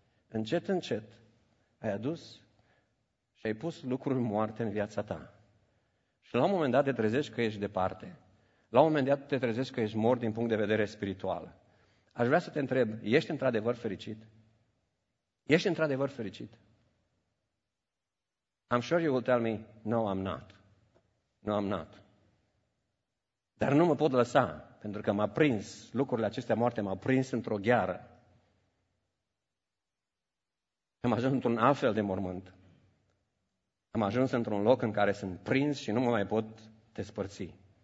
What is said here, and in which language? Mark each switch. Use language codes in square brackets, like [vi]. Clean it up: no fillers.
[ro] Încet, încet, ai adus și ai pus lucrul moarte în viața ta. Și la un moment dat te trezești că ești departe. La un moment dat te trezești că ești mort din punct de vedere spiritual. Aș vrea să te întreb, ești într-adevăr fericit? Ești într-adevăr fericit? [en] I'm sure you will tell me, no, I'm not. No, I'm not. [ro] Dar nu mă pot lăsa, pentru că m-a prins, lucrurile acestea moarte m-au prins într-o gheară. Am ajuns într-un alt fel de mormânt. Am ajuns într-un loc în care sunt prins și nu mă mai pot despărți.